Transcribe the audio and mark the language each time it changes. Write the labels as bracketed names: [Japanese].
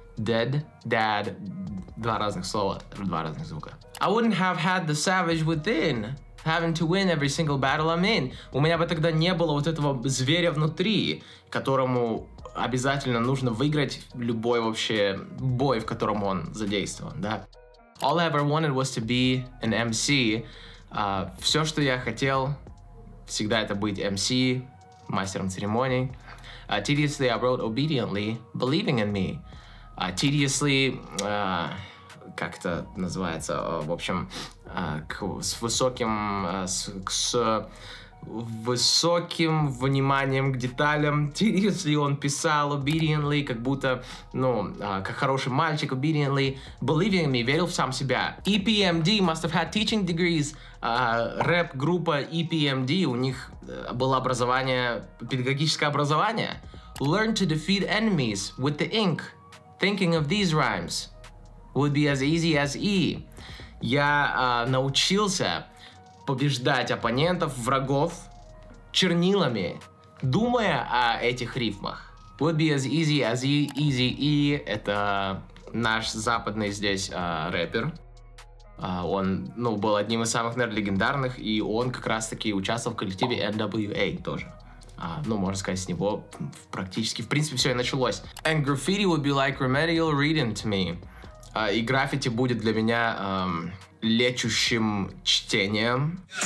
[English] Dead, dad, [Russian] два разных слова, два разных звука. [English] I wouldn't have had the savage within, having to win every single battle I'm in. [Russian] У меня бы тогда не было вот этого зверя внутри, которому обязательно нужно выиграть любой вообще бой, в котором он задействован, да. [English] All I ever wanted was to be an MC. [Russian] Все, что я хотел, всегда это быть MC, мастером церемоний. [English] Tediously I wrote obediently, believing in me. [Russian] Tediously, как это называется, в общем, с высоким вниманием к деталям. Tediously он писал obediently, как будто, ну, как хороший мальчик, [English] obediently, believing in me, [Russian] верил в сам себя. [English] EPMD must have had teaching degrees. [Russian] Рэп-группа EPMD, у них было образование, педагогическое образование. [English] Learn to defeat enemies with the ink. Thinking of these rhymes would be as easy as E. [Russian] Я научился побеждать оппонентов, врагов чернилами, думая о этих рифмах. [English] Would be as easy as E, easy E. [Russian] Это наш западный здесь рэпер. Он, ну, был одним из самых, наверное, легендарных, и он как раз-таки участвовал в коллективе NWA тоже. Ну, можно сказать, с него практически, в принципе, все и началось. [English] And graffiti would be like remedial reading to me. [Russian] И граффити будет для меня лечущим чтением.